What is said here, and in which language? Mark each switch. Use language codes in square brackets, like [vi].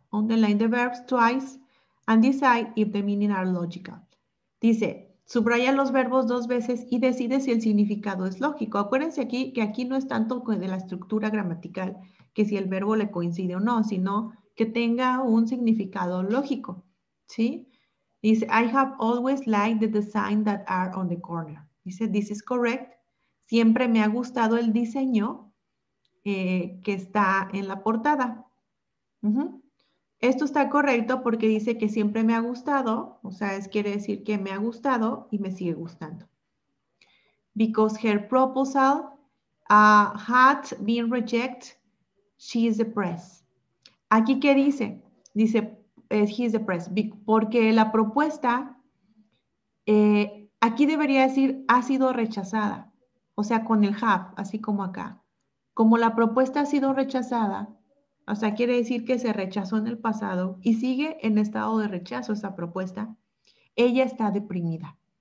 [en] Underline the verbs twice and decide if the meaning are logical. [es] Dice, subraya los verbos dos veces y decide si el significado es lógico. Acuérdense aquí que aquí no es tanto de la estructura gramatical, que si el verbo le coincide o no, sino que tenga un significado lógico. ¿Sí? Dice, [en] I have always liked the design that are on the corner. [es] Dice, [en] this is correct. [es] Siempre me ha gustado el diseño que está en la portada. Esto está correcto porque dice que siempre me ha gustado, o sea, es, quiere decir que me ha gustado y me sigue gustando. [en] Because her proposal had been rejected, she is depressed. [es] ¿Aquí qué dice? Dice, [en] he is depressed. [es] Porque la propuesta, aquí debería decir, ha sido rechazada. O sea, con el have, así como acá. Como la propuesta ha sido rechazada, o sea, quiere decir que se rechazó en el pasado y sigue en estado de rechazo esa propuesta, ella está deprimida.